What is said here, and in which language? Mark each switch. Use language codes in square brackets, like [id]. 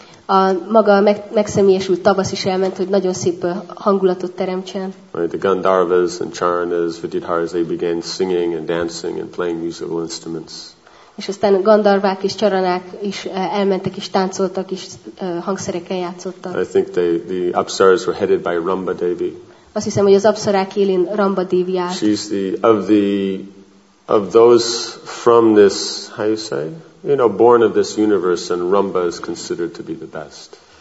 [hu] A maga megszemélyesült tavasz is elment, hogy nagyon szép hangulatot teremtsen. [en] The Gandharvas and Charanas, Vidyadharas, they began singing and dancing and playing musical instruments. [hu] És aztán Gandharvák és Charanák is elmentek és táncoltak és hangszerekkel játszottak. [en] I think the apsaras were headed by Rumba Devi. [hu] Azt hiszem, hogy az apsarák élén Rumba Devi állt. [en] She's the of those from this, how you say? You know, born of this universe, and Rumba is considered to be the best.